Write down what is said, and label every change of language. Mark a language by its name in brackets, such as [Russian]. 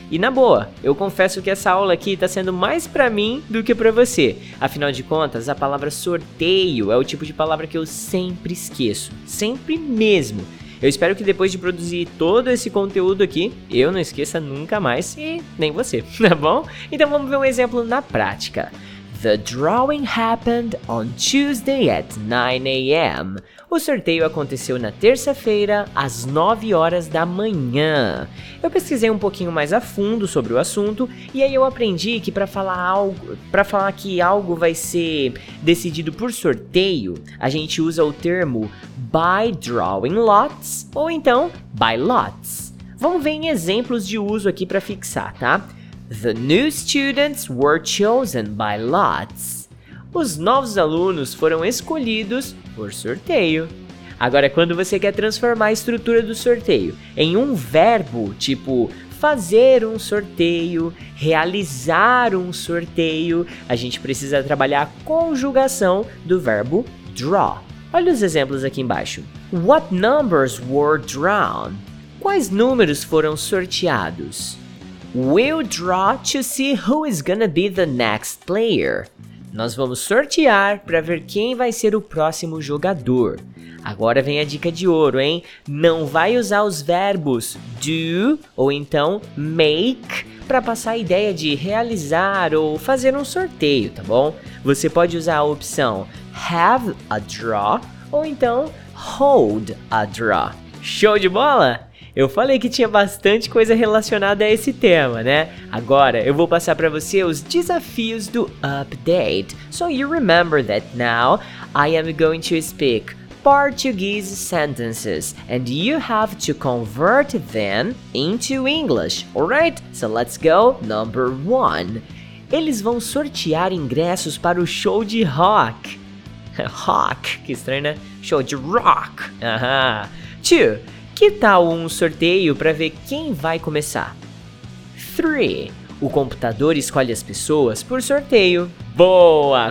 [Portuguese] E na boa, eu confesso que essa aula aqui está sendo mais para mim do que para você. Afinal de contas, a palavra sorteio é o tipo de palavra que eu sempre esqueço, sempre mesmo. Eu espero que depois de produzir todo esse conteúdo aqui, eu não esqueça nunca mais, e nem você, tá bom? Então vamos ver um exemplo na prática. [English] The drawing happened on Tuesday at 9 a.m. [Portuguese] O sorteio aconteceu na terça-feira, às 9 horas da manhã. Eu pesquisei um pouquinho mais a fundo sobre o assunto, e aí eu aprendi que para falar que algo vai ser decidido por sorteio, a gente usa o termo by drawing lots, ou então by lots. Vamos ver em exemplos de uso aqui para fixar, tá? [English] The new students were chosen by lots. [Portuguese] Os novos alunos foram escolhidos por sorteio. Agora, quando você quer transformar a estrutura do sorteio em um verbo, tipo fazer um sorteio, realizar um sorteio, a gente precisa trabalhar a conjugação do verbo draw. Olha os exemplos aqui embaixo. [English] What numbers were drawn? [Portuguese] Quais números foram sorteados? [English] We'll draw to see who is gonna be the next player. [Portuguese] Nós vamos sortear para ver quem vai ser o próximo jogador. Agora vem a dica de ouro, hein? Não vai usar os verbos do ou então make para passar a ideia de realizar ou fazer um sorteio, tá bom? Você pode usar a opção have a draw ou então hold a draw. Show de bola? Eu falei que tinha bastante coisa relacionada a esse tema, né? Agora, eu vou passar para você os desafios do update. [English] So you remember that now I am going to speak Portuguese sentences and you have to convert them into English, alright? So let's go, number one. [Portuguese] Eles vão sortear ingressos para o show de rock. Rock, que estranho, né? Show de rock. Two. Que tal um sorteio para ver quem vai começar? 3. O computador escolhe as pessoas por sorteio. Boa!